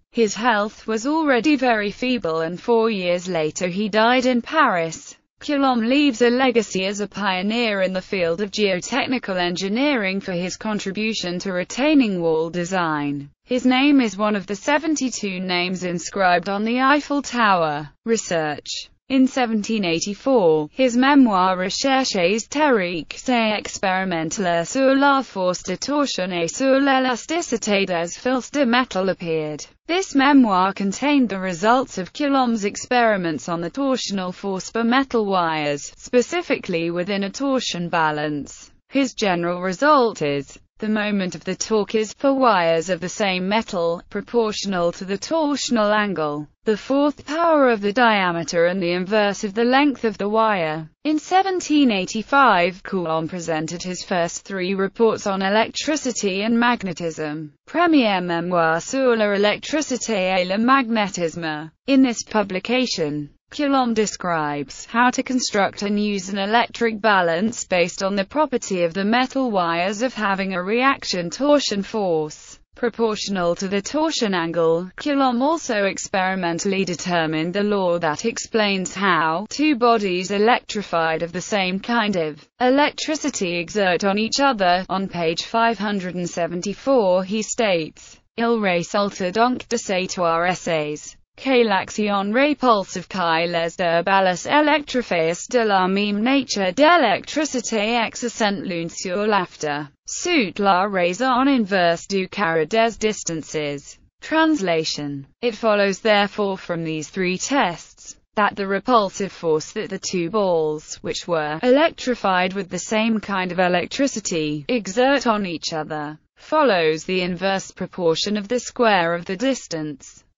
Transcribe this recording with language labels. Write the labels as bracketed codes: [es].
[en] His health was already very feeble, and 4 years later he died in Paris. Coulomb leaves a legacy as a pioneer in the field of geotechnical engineering for his contribution to retaining wall design. His name is one of the 72 names inscribed on the Eiffel Tower. Research. In 1784, his memoir Recherches théoriques et expérimentales sur la force de torsion et sur l'élasticité des fils de métal appeared. This memoir contained the results of Coulomb's experiments on the torsional force for metal wires, specifically within a torsion balance. His general result is: the moment of the torque is, for wires of the same metal, proportional to the torsional angle, the fourth power of the diameter and the inverse of the length of the wire. In 1785, Coulomb presented his first three reports on electricity and magnetism, Premier Memoir sur l'électricité et le magnétisme. In this publication, Coulomb describes how to construct and use an electric balance based on the property of the metal wires of having a reaction torsion force proportional to the torsion angle. Coulomb also experimentally determined the law that explains how two bodies electrified of the same kind of electricity exert on each other. On page 574 he states, [fr] "Il résulte donc de ces trois essais que l'action repulsive qui les deux balles électrifiées de la même nature d'électricité exercent l'une sur l'autre, suit la raison inverse du carré des distances." [en] Translation. It follows therefore from these three tests that the repulsive force that the two balls, which were electrified with the same kind of electricity, exert on each other, follows the inverse proportion of the square of the distance.